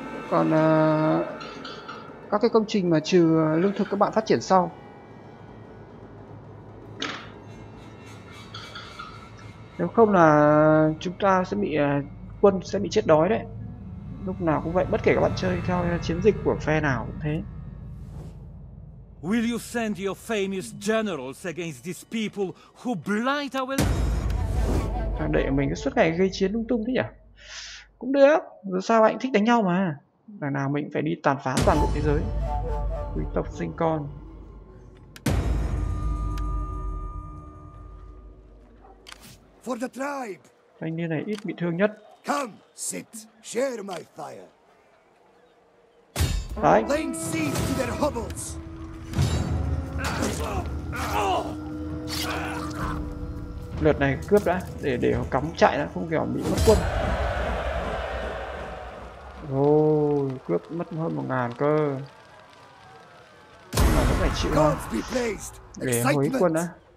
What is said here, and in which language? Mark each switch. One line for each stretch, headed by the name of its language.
Vietnamese: Còn các cái công trình mà trừ lương thực các bạn phát triển sau. Nếu không là chúng ta sẽ bị quân sẽ bị chết đói đấy. Lúc nào cũng vậy, bất kể các bạn chơi theo chiến dịch của phe nào cũng thế.
English: Will you send your famous generals against these people who blight our...
Vietnamese: Để mình cứ suốt ngày gây chiến lung tung thế nhỉ? Cũng được, dù sao anh thích đánh nhau mà. Đằng nào mình cũng phải đi tàn phá toàn bộ thế giới. Quý tộc sinh con.
English: For the tribe.
Vietnamese: Thanh niên này ít bị thương nhất.
English: Come, sit, share my fire.
Vietnamese: Đấy.
English: Laying siege to their hovels.
Vietnamese: Lượt này cướp đã, để họ cắm chạy đã, không kiểu bị mất quân. Ồ, cướp mất hơn 1000 cơ. Mà nó phải chịu mà. Để hồi quân đã.